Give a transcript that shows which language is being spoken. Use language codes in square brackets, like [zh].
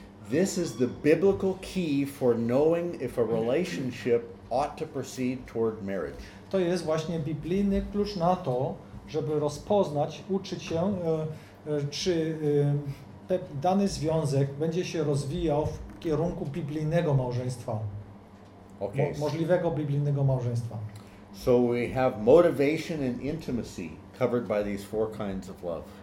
[en] This is the biblical key for knowing if a relationship ought to proceed toward marriage. [pl] To jest właśnie biblijny klucz na to, żeby rozpoznać, uczyć się, czy dany związek będzie się rozwijał w kierunku biblijnego małżeństwa. [en] Okay. [pl] Możliwego biblijnego małżeństwa. [en] So we have motivation and intimacy covered by these four kinds of love.